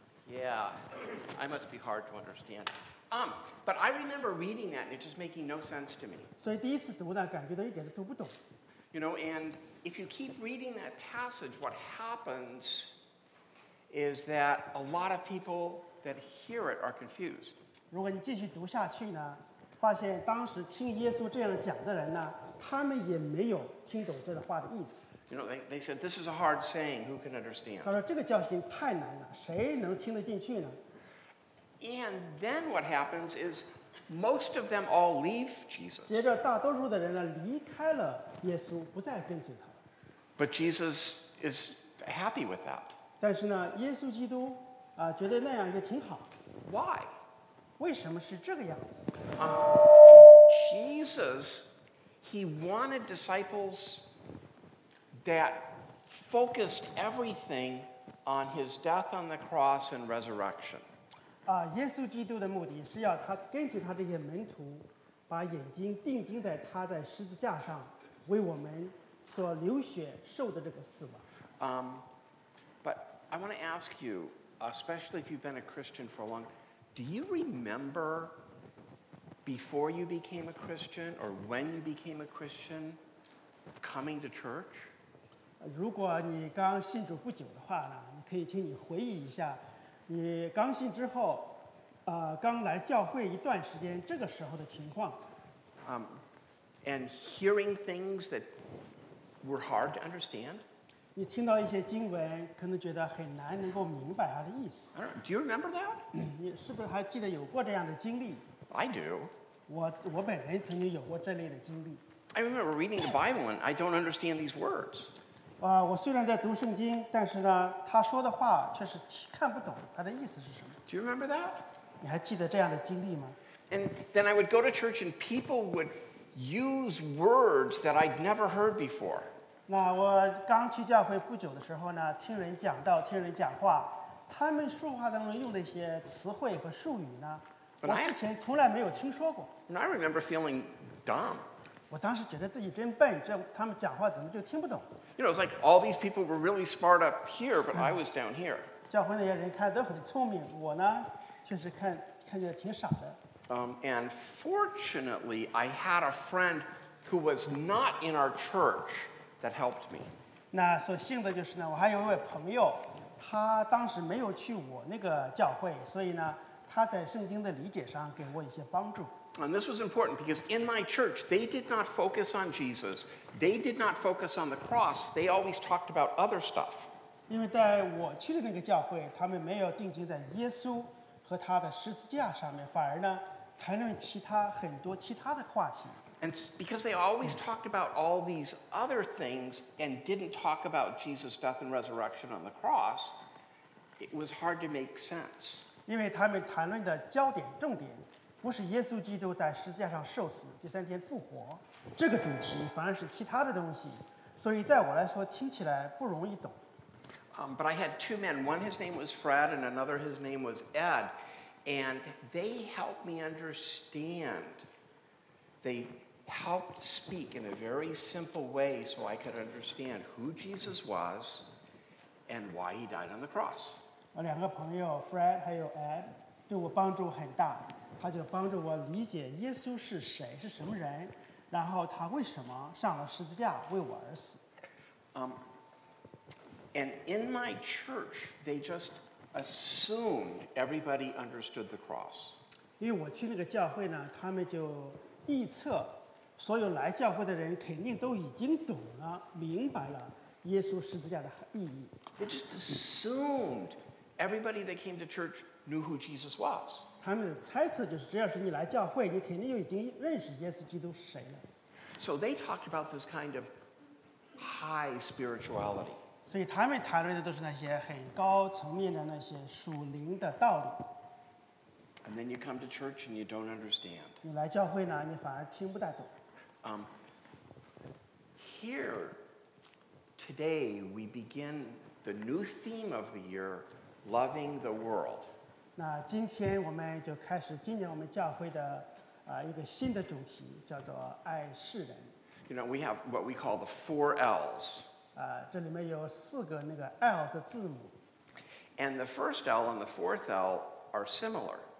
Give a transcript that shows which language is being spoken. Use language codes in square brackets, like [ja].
[en] Yeah, I must be hard to understand. But I remember reading that and it just making no sense to me. [zh] 所以第一次读呢，感觉到一点都不懂。 [en] You know, and if you keep reading that passage, what happens is that a lot of people that hear it are confused. [zh] 如果你继续读下去呢，发现当时听耶稣这样讲的人呢，他们也没有听懂这个话的意思。 [en] You know, they said, this is a hard saying, who can understand? [zh] 他说这个教训太难了，谁能听得进去呢？ [en] And then what happens is most of them all leave Jesus. [zh] 接着大多数的人呢离开了耶稣，不再跟随他。 [en] But Jesus is happy with that. [zh] 但是呢，耶稣基督觉得那样也挺好。 [en] Why? [zh] 为什么是这个样子？ [en] Jesus, he wanted disciples that focused everything on his death on the cross and resurrection. [zh] 耶稣基督的目的是要他跟随他这些门徒把眼睛定睛在他在十字架上为我们所流血受的这个死亡。 [en] But I want to ask you, especially if you've been a Christian for a long time, do you remember before you became a Christian or when you became a Christian coming to church? [zh] 如果你刚信主不久的话呢，你可以请你回忆一下你刚信之后，刚来教会一段时间，这个时候的情况。 [en] And hearing things that were hard to understand. [zh] 你听到一些经文，可能觉得很难能够明白它的意思。 [en] Do you remember that? [zh] 你是不是还记得有过这样的经历 [en] ？I do. [zh] 我本人曾经有过这类的经历。 [en] I remember reading the Bible and I don't understand these words. [zh] 我虽然在读圣经，但是呢，他说的话却是看不懂他的意思是什么。 [en] Do you remember that? [zh] 你还记得这样的经历吗 [en] ？And then I would go to church and people would use words that I'd never heard before. [zh] 那我刚去教会不久的时候呢，听人讲道，听人讲话，他们说话当中用的一些词汇和术语呢，我之前从来没有听说过。 [en] And I remember feeling dumb. [zh] 我当时觉得自己真笨，这他们讲话怎么就听不懂？ [en] You know, it's like all these people were really smart up here, but I was down here. [zh] 教会那些人看都很聪明，我呢，确实看起来挺傻的。 [en] And fortunately, I had a friend who was not in our church that helped me. [zh] 那所幸的就是呢，我还有一位朋友，他当时没有去我那个教会，所以呢，他在圣经的理解上给我一些帮助。 [en] And this was important because in my church, they did not focus on Jesus. They did not focus on the cross. They always talked about other stuff. [zh] 因为在我去的那个教会，他们没有定睛在耶稣和他的十字架上面，反而呢，谈论其他很多其他的话题。 [en] And because they always talked about all these other things and didn't talk about Jesus' death and resurrection on the cross, it was hard to make sense. [zh] 因为他们谈论的焦点重点。不是耶稣基督在十字架上受死第三天复活这个主题反而是其他的东西所以在我来说听起来不容易懂、 [en] But I had two men one his name was Fred and another his name was Ed and they helped me understand they helped speak in a very simple way so I could understand who Jesus was and why he died on the cross、 [zh] 两个朋友 Fred 还有 Ed 对我帮助很大，他就帮助我理解耶稣是谁，是什么人，然后他为什么上了十字架为我而死。 [en] And in my church, they just assumed everybody understood the cross. [zh] 因为我去那个教会呢，他们就臆测所有来教会的人肯定都已经懂了，明白了耶稣十字架的意义。 [en] They just assumed everybody that came to church knew who Jesus was. [zh] 他们的猜测就是，只要是你来教会，你肯定就已经认识耶稣基督是谁了。 [en] So they talked about this kind of high spirituality. [zh] 所以他们谈论的都是那些很高层面的那些属灵的道理。 [en] And then you come to church and you don't understand. [zh] 你来教会呢，你反而听不太懂。 [en] Here, today we begin the new theme of the year, loving the world. [zh] 那今天我们就开始今年我们教会的一个新的主题，叫做爱世人。 [en] You know, we have what we call the four L's. [zh] 这里面有四个那个 L 的字母。 [en] And the first L and the fourth L are similar.